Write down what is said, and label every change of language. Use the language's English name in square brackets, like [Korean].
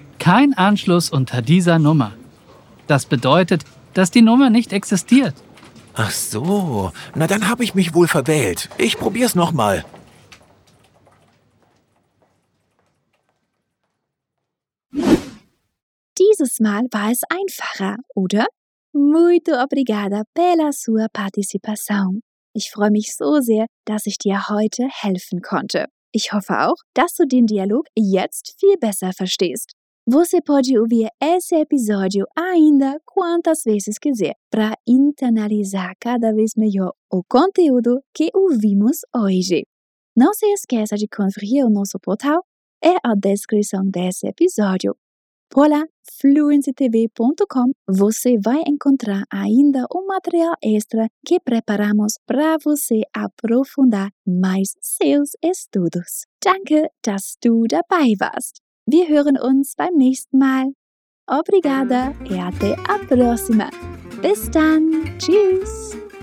[German] Kein Anschluss unter dieser Nummer. Das bedeutet, dass die Nummer nicht existiert. Ach so. Na, dann habe ich mich wohl verwählt. Ich probier's nochmal. Dieses Mal war es einfacher, oder? [Portuguese] Muito obrigada pela sua participação. [German] Ich freue mich so sehr, dass ich dir heute helfen konnte. Ich hoffe auch, dass du den Dialog jetzt viel besser verstehst. [Portuguese] Você pode ouvir esse episódio ainda quantas vezes quiser para internalizar cada vez melhor o conteúdo que ouvimos hoje. Não se esqueça de conferir o nosso portal e a descrição desse episódio. Por lá, fluencytv.com, você vai encontrar ainda material extra que preparamos para você aprofundar mais seus estudos. [German] Danke, dass du dabei warst. Wir hören uns beim nächsten Mal. [Portuguese] Obrigada e até a próxima. [German] Bis dann. Tschüss.